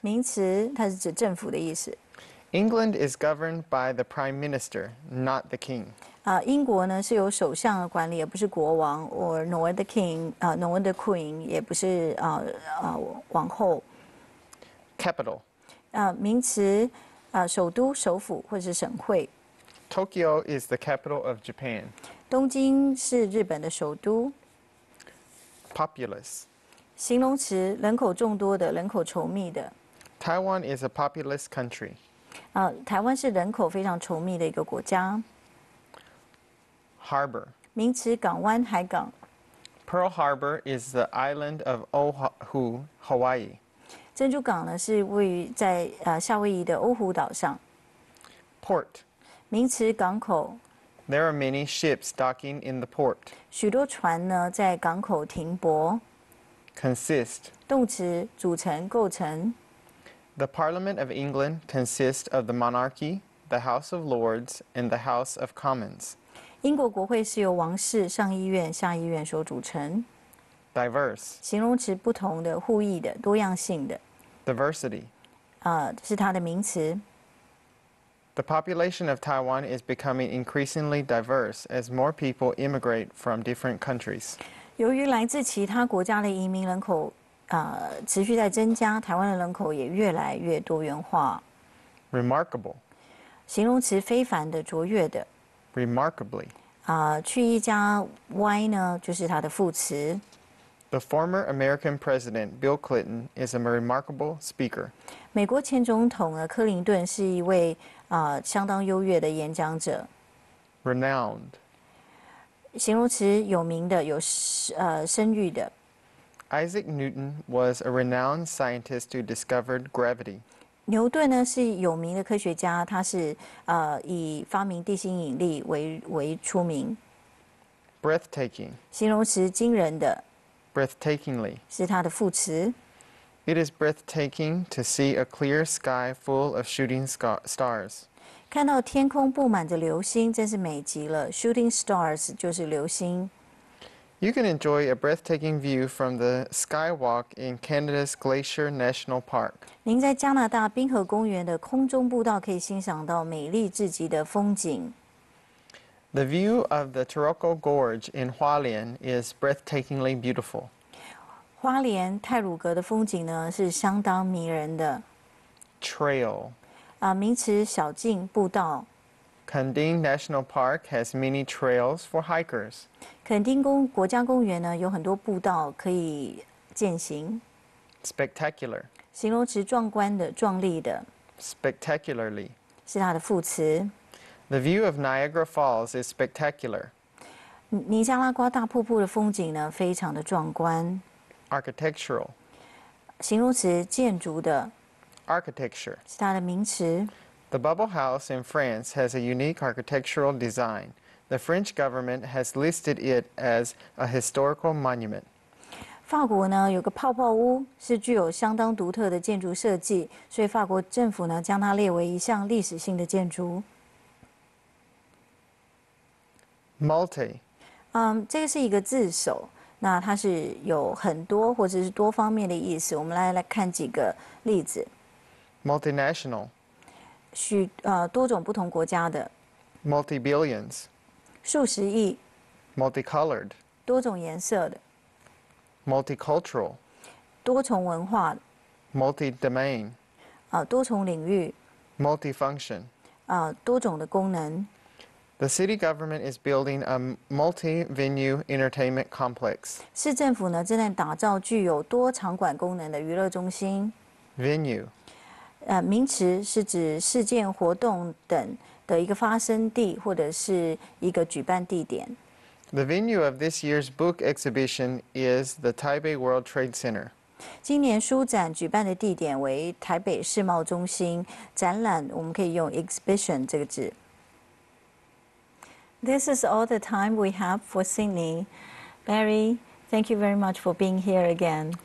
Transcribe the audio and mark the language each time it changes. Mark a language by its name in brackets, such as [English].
[Chinese] 名词它是指政府的意思。 [English] England is governed by the Prime Minister, not the King. [Chinese] 英国呢是由首相管理，也不是国王 ， [English] or nor the King, nor the Queen, [Chinese] 也不是王后。 [English] Capital. [Chinese] 名词首都、首府或是省会。 [English] Tokyo is the capital of Japan. [Chinese] 东京是日本的首都。 [English] Populous. [Chinese] 形容词，人口众多的，人口稠密的。 [English] Taiwan is a populous country. [Chinese] 台湾是人口非常稠密的一个国家。 [English] Harbor. [Chinese] 名词，港湾、海港。 [English] Pearl Harbor is the island of Oahu, Hawaii. [Chinese] 珍珠港呢，是位于在夏威夷的欧胡岛上。 [English] Port. [Chinese] 名词，港口。 [English] There are many ships docking in the port. [Chinese] 许多船呢，在港口停泊。 [English] Consist. [Chinese] 动词，组成，构成。 [English] The Parliament of England consists of the monarchy, the House of Lords, and the House of Commons. [Chinese] 英国国会是由王室、上议院、下议院所组成。 [English] Diverse. [Chinese] 形容词，不同的，互异的，多样性的。 [English] Diversity. [Chinese] 是它的名词。 [English] The population of Taiwan is becoming increasingly diverse as more people immigrate from different countries. [Chinese] 由于来自其他国家的移民人口持续在增加，台湾的人口也越来越多元化。 [English] Remarkable. [Chinese] 形容词，非凡的，卓越的。 [English] Remarkably. [Chinese] 去一家 Y 呢，就是它的副词。 [English] The former American President Bill Clinton is a remarkable speaker. [Chinese] 美国前总统克林顿是一位相当优越的演讲者。 [English] Renowned. [Chinese] 形容词，有名的，有声誉的。 [English] Isaac Newton was a renowned scientist who discovered gravity. [Chinese] 牛顿呢是有名的科学家，他是以发明地心引力为出名。 [English] Breathtaking. [Chinese] 形容词，惊人的。 [English] Breathtakingly. [Chinese] 是它的副词。 [English] It is breathtaking to see a clear sky full of shooting stars. [Chinese] 看到天空布满着流星，真是美极了。 Shooting stars 就是流星。 [English] You can enjoy a breathtaking view from the skywalk in Canada's Glacier National Park. [Chinese] 您在加拿大冰河公园的空中步道可以欣赏到美丽至极的风景。 [English] The view of the Taroko Gorge in Hualien is breathtakingly beautiful. [Chinese] 花莲太鲁阁的风景呢是相当迷人的。 [English] Trail. [Chinese] 名词，小径，步道。 [English] Kandin National Park has many trails for hikers. [Chinese] 肯丁国家公园呢有很多步道可以健行。 [English] Spectacular. [Chinese] 形容词，壮观的，壮丽的。 [English] Spectacularly. [Chinese] 是它的副词。 [English] The view of Niagara Falls is spectacular. [Chinese] 尼加拉瓜大瀑布的风景呢，非常的壮观。 [English] Architectural. [Chinese] 形容词，建筑的。 [English] Architecture. [Chinese] 是它的名词。 [English] The Bubble House in France has a unique architectural design. The French government has listed it as a historical monument. [Chinese] 法国呢，有个泡泡屋，是具有相当独特的建筑设计，所以法国政府呢，将它列为一项历史性的建筑。 [English] Multi. [Chinese] 这个是一个字首，那它是有很多或者是多方面的意思。我们来看几个例子。 [English] Multinational. [Chinese] 多种不同国家的。 [English] Multi-billions. [Chinese] 数十亿。 [English] Multicolored. [Chinese] 多种颜色的。 [English] Multicultural. [Chinese] 多重文化。 [English] Multi-domain. [Chinese] 多重领域。 [English] Multi-function. [Chinese] 多种的功能。 [English] The city government is building a multi-venue entertainment complex. [Chinese] 市政府呢正在打造具有多场馆功能的娱乐中心。 [English] Venue. [Chinese] 名词，是指事件、活动等的一个发生地或者是一个举办地点。 [English] The venue of this year's book exhibition is the Taipei World Trade Center. [Chinese] 今年书展举办的地点为台北世贸中心，展览我们可以用 exhibition 这个字。 [English] This is all the time we have for Sydney. Barry, thank you very much for being here again.